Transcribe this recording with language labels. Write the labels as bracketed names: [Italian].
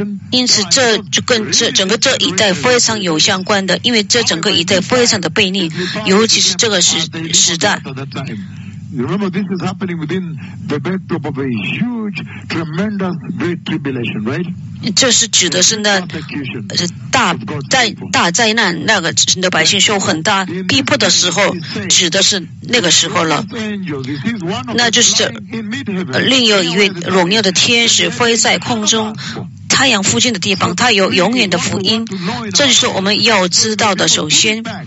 [Chinese] 因此这就跟这整个这一代非常有相关的，因为这整个一代非常的悖逆，尤其是这个时代。 [English] You remember, this is happening within the backdrop of a huge, tremendous, great tribulation, right? [Chinese] 这是指的是那大灾难，那个神的百姓受很大逼迫的时候，指的是那个时候了。那就是另有一位荣耀的天使飞在空中。太阳附近的地方，他有永远的福音。这就是我们要知道的，首先。